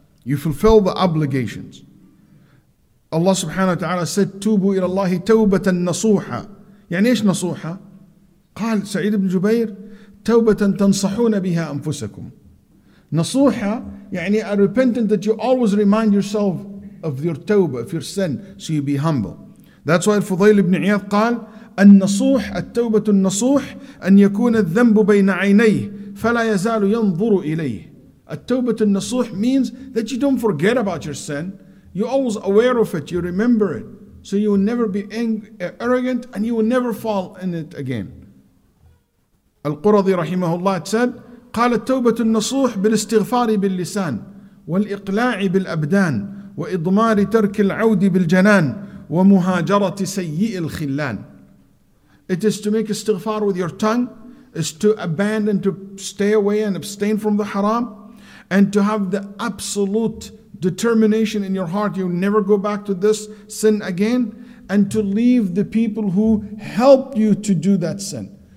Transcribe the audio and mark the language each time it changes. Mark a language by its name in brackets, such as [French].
[English] You fulfill the obligations. Allah subhanahu wa ta'ala said, [Arabic] "Tubu ila Allahi tawbatan nasuha." يعني ايش نصوحة؟ قال سعيد بن جبير توبة تنصحون بها أنفسكم نصوحة يعني [English] a repentance that you always remind yourself of your [Arabic] توبة [English] of your sin so you be humble. That's why [Arabic] الفضيل بن عياض قال النصوح التوبة النصوح أن يكون الذنب بين عينيه فلا يزال ينظر إليه. [English] التوبة النصوح means that you don't forget about your sin, you always aware of it, you remember it, so you will never be arrogant and you will never fall in it again. [Arabic] القرضي رحمه الله said, قال التوبة النصوح بالاستغفار باللسان والإقلاع بالأبدان وإضمار ترك العود بالجنان ومهاجرة سيء الخلان. [English] It is to make istighfar with your tongue, is to abandon, to stay away and abstain from the haram, and to have the absolute determination in your heart, you never go back to this sin again, and to leave the people who helped you to do that sin.